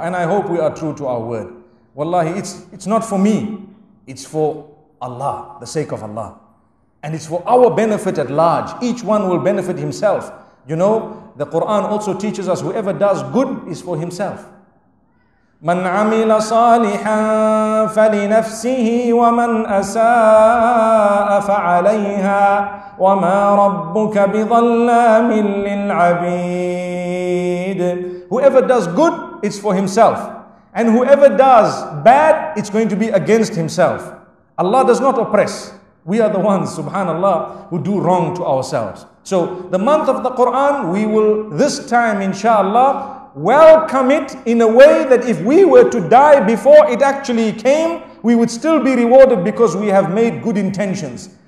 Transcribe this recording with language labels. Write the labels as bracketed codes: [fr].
[en] And I hope we are true to our word. Wallahi, it's not for me. It's for Allah, the sake of Allah. And it's for our benefit at large. Each one will benefit himself. You know, the Quran also teaches us whoever does good is for himself. [ar] مَنْ عَمِلَ صَالِحًا فَلِنَفْسِهِ وَمَنْ أَسَاءَ فَعَلَيْهَا وَمَا رَبُّكَ بِظَلَّامٍ لِلْعَبِيدِ [en] Whoever does good, it's for himself. And whoever does bad, it's going to be against himself. Allah does not oppress. We are the ones, subhanAllah, who do wrong to ourselves. So the month of the Quran, we will this time, inshallah, welcome it in a way that if we were to die before it actually came, we would still be rewarded because we have made good intentions.